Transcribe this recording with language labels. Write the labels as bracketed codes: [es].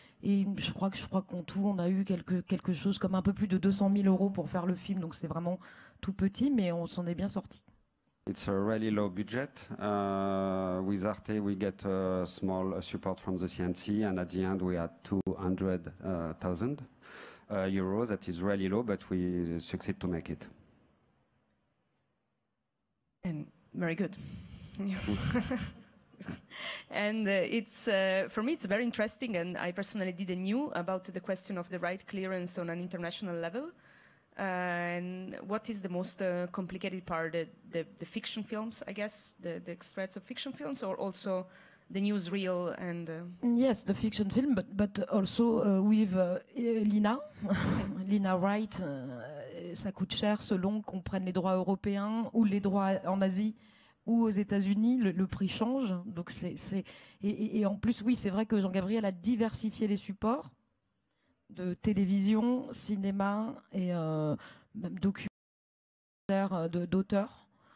[fr] Et je crois qu'en tout, on a eu quelque chose comme un peu plus de 200 000 euros pour faire le film. Donc c'est vraiment tout petit, mais on s'en est bien sorti. [en] It's a really low budget. With Arte, we get a small support from the CNC, and at the end, we had 200,000 euros. That is really low, but we succeed to make it. And very good. And for me, it's very interesting, and I personally didn't know about the question of the right clearance on an international level. And what is the most complicated part, the fiction films, I guess, the extracts of fiction films, or also the newsreel and... Yes, the fiction film, but also with Lina. [fr] Lina Wright, ça coûte cher selon qu'on prenne les droits européens ou les droits en Asie ou aux États-Unis, le prix change. Donc c'est, et en plus, oui, c'est vrai que Jean-Gabriel a diversifié les supports. de télévision, cinéma et même documentaires d'auteurs.